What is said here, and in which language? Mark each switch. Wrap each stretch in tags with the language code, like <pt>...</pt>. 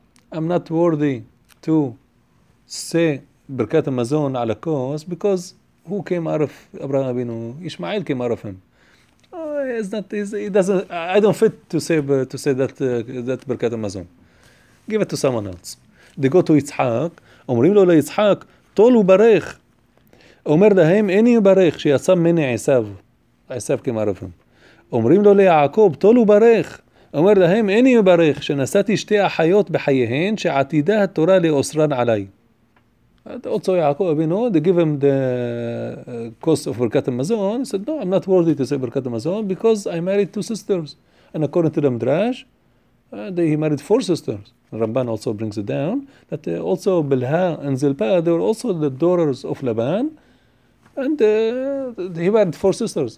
<en>I'm not worthy to say berkat amazon ala kos because who came out of Abraham Abinu? Ishmael came out of him. I don't fit to say that berkat amazon. Give it to someone else. They go to Yitzhak,</en> <he>אומרים לו ליצחק, תול וברך. אומר להם, איני וברך, שיצא מני עשיו. עשיו כמערפם. אומרים לו ליעקב, תול וברך. אומר להם, איני וברך, שנסעתי שתי אחיות בחייהן, שעתידה התורה לאוסרן עליי.</he> <en>Also יעקב, you know, they give him the cost of ברכת המזון. He said, no, I'm not worthy to say ברכת המזון, because I married two sisters. And according to the Midrash, he married four sisters. Ramban also brings it down that also Bilha and Zilpah, they were also the daughters of Laban, and he married four sisters.</en>